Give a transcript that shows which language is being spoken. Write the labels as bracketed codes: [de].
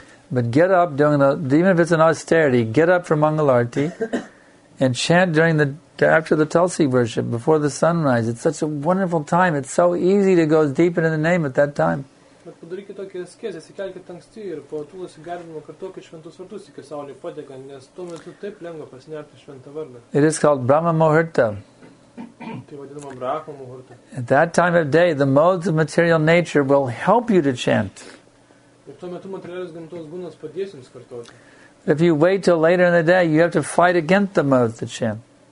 [en] But get up during even if it's an austerity, get up for Mangalarti and chant during after the Tulsi worship, before the sunrise. It's such a wonderful time. It's so easy to go deep into the name at that time. [lt] Bet padarykit tokį skėzį, įsikelkit anksti ir po tūlos įgarbimo kartokit šventus vardus iki saulį padėgą, nes tuo metu taip lengva pasinerti šventą vardą. [en] It is called Brahma Muhurta. [lt] Tai vadinama Brahma Muhurta. [en] At that time of day, the modes of material nature will help you to chant. [lt] Ir tuo metu materialis gamtos gunas padės jums kartoti. [en] If you wait till later in the day, you have to fight against the modes to chant.